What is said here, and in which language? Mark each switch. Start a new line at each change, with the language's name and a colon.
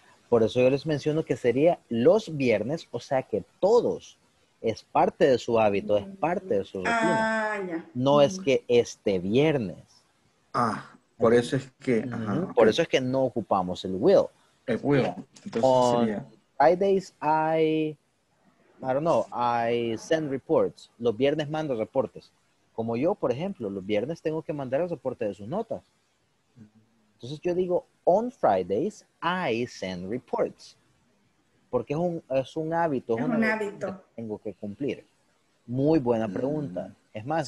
Spanish: Por eso yo les menciono que sería los viernes, o sea que todos es parte de su hábito, es parte de su rutina. No es que este viernes. Por eso es que... Por eso es que no ocupamos el will. El will. Entonces,
English: on Fridays, I don't know, I send reports.
Spanish: Los viernes mando reportes. Como yo, por ejemplo, los viernes tengo que mandar el reporte de sus notas. Entonces yo digo,
English: on Fridays, I send reports.
Spanish: Porque es un hábito. Es un hábito. Que tengo que cumplir. Muy buena pregunta. Es más,